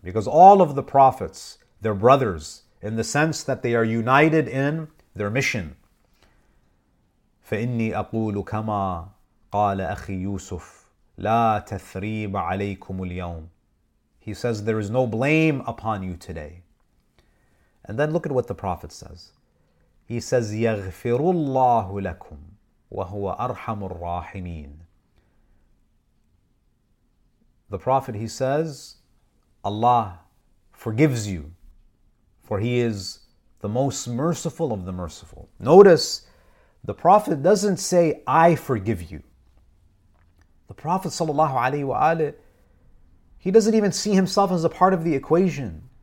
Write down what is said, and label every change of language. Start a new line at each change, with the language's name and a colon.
English: Because all of the prophets, they're brothers in the sense that they are united in their mission.
Arabic: فَإِنِّي أَقُولُ كَمَا قَالَ أَخِي يُوسُفُ لَا تَثْرِيبَ عَلَيْكُمُ الْيَوْمِ.
English: He says, there is no blame upon you today. And then look at what the Prophet says. He says,
Arabic: يَغْفِرُ اللَّهُ لَكُمْ وَهُوَ أَرْحَمُ الرَّاحِمِينَ.
English: The Prophet, he says, Allah forgives you, for He is the most merciful of the merciful. Notice, the Prophet doesn't say, I forgive you. The Prophet sallallahu alayhi wa alayhi, he doesn't even see himself as a part of the equation.